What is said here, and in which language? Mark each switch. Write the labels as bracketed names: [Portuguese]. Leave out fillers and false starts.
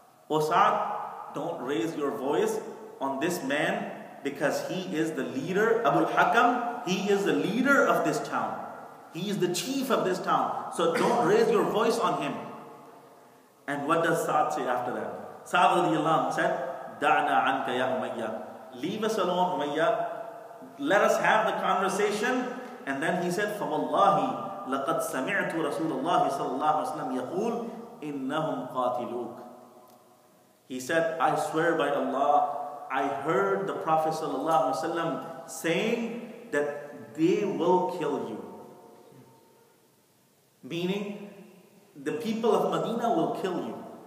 [English] O Sa'd, don't raise your voice on this man because he is the leader, Abu al-Hakam, he is the leader of this town. He is the chief of this town. So don't raise your voice on him. And what does Sa'd say after that? Sa'd radiallahu anhu said, [Arabic] دعنا عنك يا أمية. [English] Leave us alone, Umayya. Let us have the conversation. And then he said, [Arabic] فَوَاللَّهِ لَقَدْ سَمِعْتُ رَسُولَ اللَّهِ صَلَى اللَّهُ عَلَيْهِ وَسَلَّمْ يَقُولْ إِنَّهُمْ قَاتِلُوكَ. [English] He said, I swear by Allah, I heard the Prophet ﷺ saying that they will kill you. Meaning, the people of Medina will kill you.